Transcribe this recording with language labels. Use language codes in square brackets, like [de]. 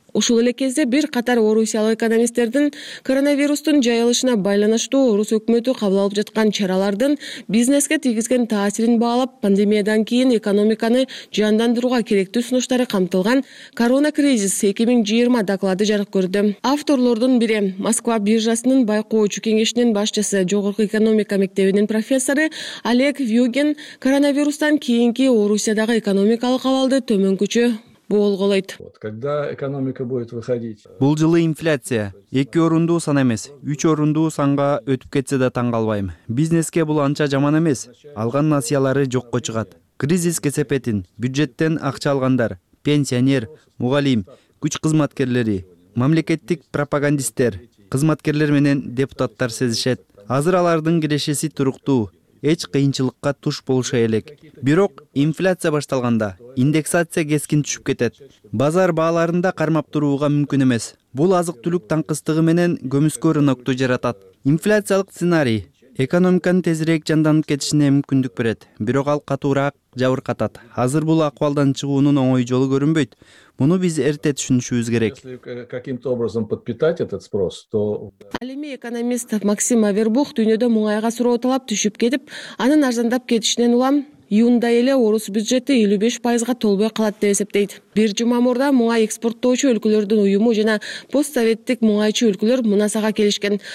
[ky] Ушул эле кезде бир катар орусиялык экономисттердин коронавирустун жайылышына байланыштуу орус өкмөтү кабыл алып жаткан чаралардын бизнеске тийгизген таасирин баалап, пандемиядан кийин экономиканы жандандырууга керектүү сунуштары камтылган «Корона кризис 2020» доклады жарык көрдү. Авторлордун бири Москва биржасынын байкоочу кеңешинин башчысы, жогорку экономика мектебинин профессору Олег Вьюгин коронавирустан кийинки Орусиядагы экономикалык абалды төмөнкүчө болголойт. [ru] Вот когда экономика будет выходить. [ky] Бул жылы инфляция 2 орундуу сан эмес, 3 орундуу санга өтүп кетсе да таң калбайм. Бизнеске бул анча жаман эмес. Алган насыялары жокко чыгат. Кризис кесепетин бюджеттен акча алгандар, пенсионер, мугалим, күч кызматкерлери, мамлекеттик пропагандисттер, кызматкерлер менен депутаттар сезишет. Азыр алардын кирешеси туруктуу. Эч кыйынчылыкка туш болушу элек. Бирок инфляция башталганда индексация кескин түшүп кетет. Базар бааларында кармап турууга мүмкүн эмес. Бул азык-түлүк таңкыстыгы менен көмүскө рынокту жаратат. Инфляциялык сценарий экономиканын тезирээк жанданып кетишине мүмкүндүк берет. Бирок ал катуураак жабыркатат. Азыр бул акыбалдан чыгуунун оңой жолу көрүнбөйт. Муну биз эрте түшүнүшүбүз керек. [ru] Каким-то образом подпитать этот спрос, то [ky] ал эми экономист Максим Авербух дүйнөдө мунайга суроо талап түшүп кетип, анын арзандап кетишинен улам июнда эле орус бюджети 55% толбой калат деп эсептейт. Бир жума мурда мунай экспорттоочу өлкөлөрдүн уюму жана постсоветтик мунайчы өлкөлөр мунасага келишкен.